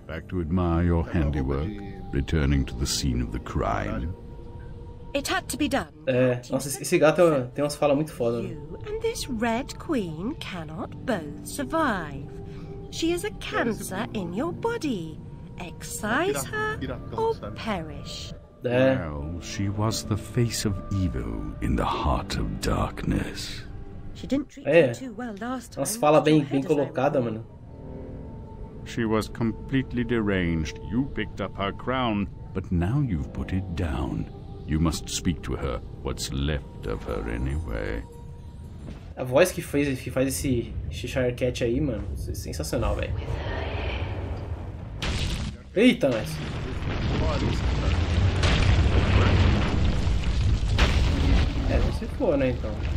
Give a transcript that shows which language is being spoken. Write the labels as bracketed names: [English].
[English] Back to admire your handiwork, returning to the scene of the crime. It had to be done. [Portuguese] É, nossa, esse gato tem umas falas muito fodas. [English] You and this Red Queen cannot both survive. She is a cancer in your body. Excise her or perish. Well, she was the face of evil in the heart of darkness. She didn't treat you too well last time. [Portuguese] Nossa, fala bem colocada, mano. [English] She was completely deranged. You picked up her crown, but now you've put it down. You must speak to her, what's left of her anyway. [Portuguese] A voz que faz esse Cheshire Cat aí, mano, é sensacional, velho. Eita, mas... É, você for, né, então.